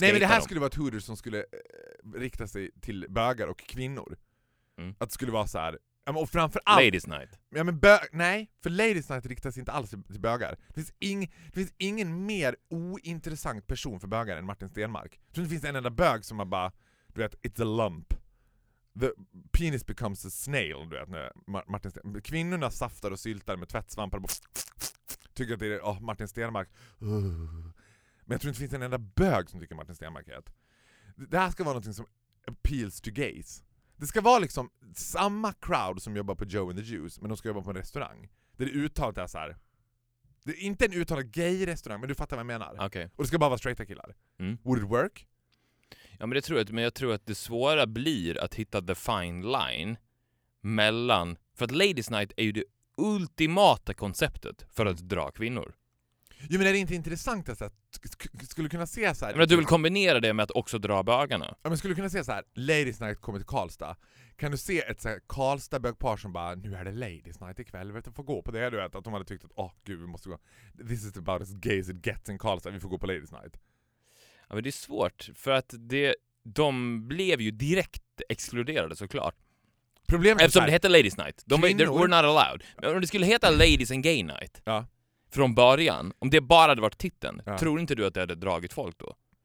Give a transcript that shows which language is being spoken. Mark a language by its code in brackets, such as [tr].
[sv] Nej, men det här skulle vara ett Hooters som skulle rikta sig till bögar och kvinnor. Mm. Att det skulle vara så här... Och framförallt... Ladies Night. Ja, men nej, för Ladies Night riktas inte alls till bögar. Det finns ingen mer ointressant person för bögar än Martin Stenmark. Jag tror det finns en enda bög som har bara... Du vet, [en] it's a lump. The penis becomes a snail, [sv] du vet. Martin Stenmark. Kvinnorna saftar och syltar med tvättsvampar. Bara, tycker att det är Martin Stenmark. Men jag tror inte finns en enda bög som tycker Martin Stenmark är. Det här ska vara något som [en] appeals to gays. [sv] Det ska vara liksom samma crowd som jobbar på Joe and the Juice, men de ska jobba på en restaurang. Det är uttalat så här. Det är inte en uttalad gay-restaurang, men du fattar vad jag menar. Okay. Och det ska bara vara straighta killar. Mm. [en] Would it work? [sv] Ja, men det tror jag. Men jag tror att det svåra blir att hitta [en] the fine line [sv] mellan... För att Ladies Night är ju det ultimata konceptet för att dra kvinnor. Jo, men är det inte intressant att skulle kunna se så här... Men att du vill kombinera det med att också dra bögarna. Ja, men skulle kunna se så här, Ladies Night kommer till Karlstad. Kan du se ett så här Karlstad-bögpar som bara, nu är det Ladies Night ikväll, vet du, får gå på det, du vet. Att de hade tyckt att, gud, vi måste gå. [en] This is about as gay as it gets in Karlstad, [sv] vi får gå på Ladies Night. Ja, men det är svårt, för att de blev ju direkt exkluderade såklart. Problemet eftersom är det heter Ladies Night, [en] we're not allowed. [sv] Men om det skulle heta Ladies and Gay Night... Ja. Från början, om det bara hade varit titeln, ja. Tror inte du att det hade dragit folk då?